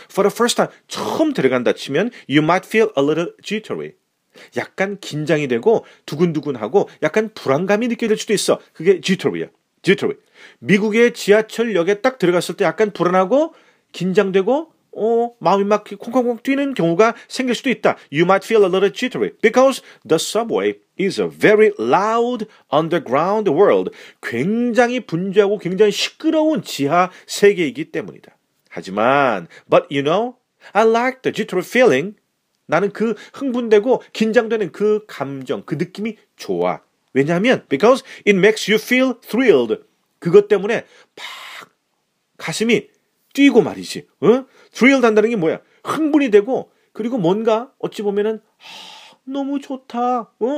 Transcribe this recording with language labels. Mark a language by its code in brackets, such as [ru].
[en] For the first time, [ko] 처음 들어간다 치면 [en] you might feel a little jittery. [ko] 약간 긴장이 되고 두근두근하고 약간 불안감이 느껴질 수도 있어. 그게 jittery야. Jittery. 미국의 지하철역에 딱 들어갔을 때 약간 불안하고 긴장되고 마음이 막 콩콩콩 뛰는 경우가 생길 수도 있다. [en] You might feel a little jittery because the subway is a very loud underground world. [ko] 굉장히 분주하고 굉장히 시끄러운 지하 세계이기 때문이다. 하지만, [en] but you know, I like the jittery feeling. [ko] 나는 그 흥분되고 긴장되는 그 감정, 그 느낌이 좋아. 왜냐하면, [en] because it makes you feel thrilled. [ko] 그것 때문에 막 가슴이 뛰고 말이지. 응? thrilled 한다는 게 뭐야? 흥분이 되고 그리고 뭔가 어찌 보면은 너무 좋다.